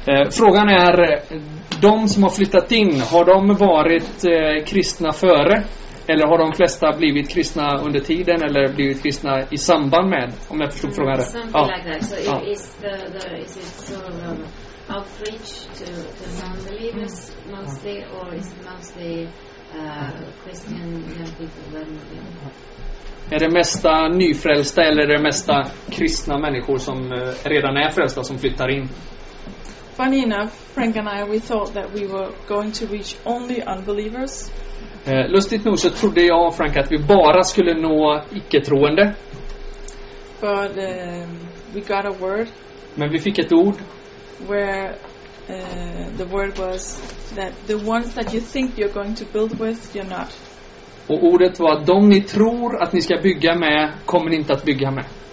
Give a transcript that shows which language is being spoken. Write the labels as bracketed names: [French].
[Swedish] Frågan är, de som har flyttat in, har de varit kristna före, eller har de flesta blivit kristna under tiden, eller blivit kristna i samband med, om jag förstod frågan rätt? [English] Something like that. So yeah. is it sort of outreach to non-believers mostly, or is it mostly Christian young people that move in? [Swedish] Är det mesta nyfrälsta eller är det mesta kristna människor som redan är frälsta som flyttar in? [English] Funny enough, Frank and I, we thought that we were going to reach only unbelievers. [Swedish] Lustigt nog så trodde jag och Frank att vi bara skulle nå icke-troende. [English] But we got a word. [Swedish] Men vi fick ett ord. [English] Where the word was that the ones that you think you're going to build with, you're not. [Swedish] Och ordet var att de ni tror att ni ska bygga med kommer ni inte att bygga med.